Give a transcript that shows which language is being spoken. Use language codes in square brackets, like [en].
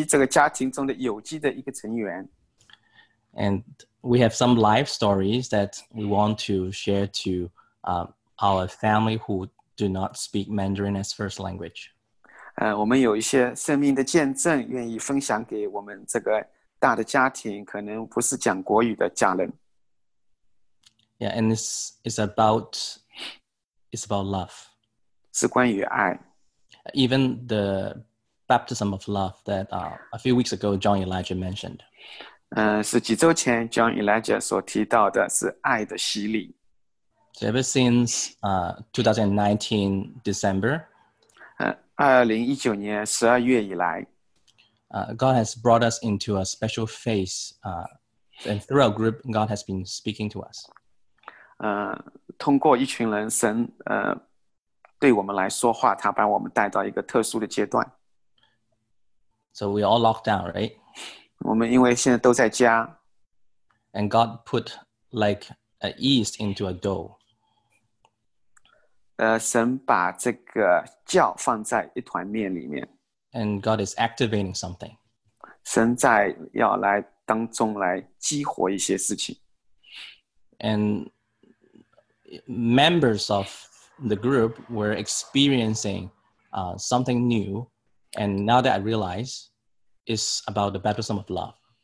[zh] 我们是这个有机这个家庭中的有机的一个成员。 [en] And we have some life stories that we want to share to our family who do not speak Mandarin as first language. [zh] 我们有一些生命的见证愿意分享给我们这个大的家庭，可能不是讲国语的家人。Yeah, [en] and it's about love. [zh] 是关于爱。 [en] Even the baptism of love that a few weeks ago John Elijah mentioned. [zh] 是几周前 John Elijah 所提到的是爱的洗礼。 [en] So ever since 2019 December, [zh] 2019年12月以来, [en] God has brought us into a special phase, and through our group, God has been speaking to us. [zh] 通过一群人神, 对我们来说话, 祂把我们带到一个特殊的阶段。 [en] So we all locked down, right? [zh] 我们因为现在都在家。 [en] And God put like a yeast into a dough. [zh] 神把这个酵放在一团面里面。And [en] God is activating something. [zh] 神在要来当中来激活一些事情。And [en] members of the group were experiencing something new, and now that I realize, it's about the baptism of love.